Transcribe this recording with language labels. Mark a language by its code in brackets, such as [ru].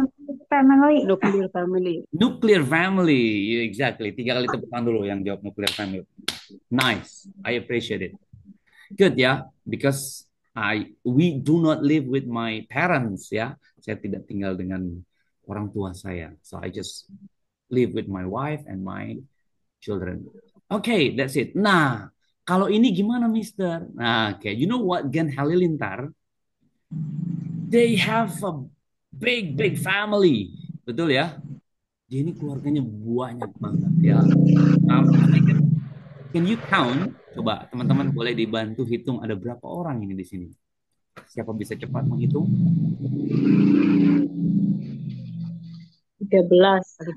[en] Nuclear family. Nuclear family, exactly. [id] Tiga kali tepuk tangan dulu yang jawab nuclear family. [en] Nice, I appreciate it. Good ya, yeah? Because we do not live with my parents ya. Yeah? [id] Saya tidak tinggal dengan orang tua saya. [en] So I just live with my wife and my children. Okay, that's it. [id] Nah, kalau ini gimana, Mister? Nah, okay. [en] You know what, Gen Halilintar? They have a big big family, betul ya? [id] Dia ini keluarganya banyak banget ya. [en] Can you count? [id] Coba teman-teman boleh dibantu hitung ada berapa orang ini di sini. Siapa bisa cepat menghitung? 13.